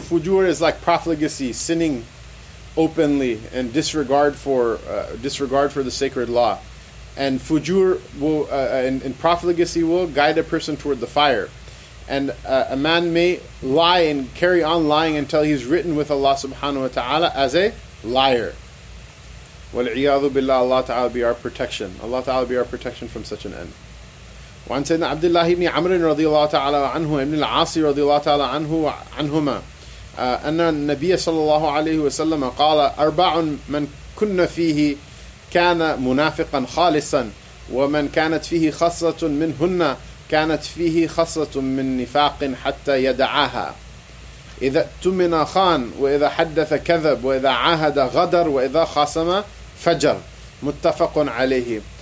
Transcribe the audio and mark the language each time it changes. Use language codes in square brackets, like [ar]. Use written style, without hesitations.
[en] Fujur is like profligacy, sinning openly and disregard for the sacred law. And fujur will and profligacy will guide a person toward the fire. And a man may lie and carry on lying until he's written with Allah subhanahu wa ta'ala as a liar. [ar] وَالْعِيَاذُ بِاللَّهِ اللَّهُ تَعَالَى [en] be our protection. Allah Ta'ala be our protection from such an end. [ar] وَعَنْ سَيْدْنَا عَبْدِ اللَّهِ بْنِ عَمْرٍ رَضِيَ اللَّهُ تَعَالَى عَنْهُ وَإِبْنِ الْعَاصِ رَضِيَ اللَّهُ تَعَالَى عَنْهُ وَعَنْهُمَا أَنَّ النَّبِيَ صَلَّى اللَّهُ عَلَيْهُ وَسَلَّمَ قَالَ أَرْبَعٌ مَنْ كُنَّ فِيهِ كَانَ مُنَافِقًا خَالِصًا وَمَنْ كَانَتْ فِيهِ خَصَّةٌ مِنْهُنَّ كَانَتْ فِيهِ خَصَّةٌ مِنْ نِفَاقٍ حَتَّى يَدَعَاهَا إذا تمن خان وإذا حدث كذب وإذا عاهد غدر وإذا خاصم فجر متفق عليه.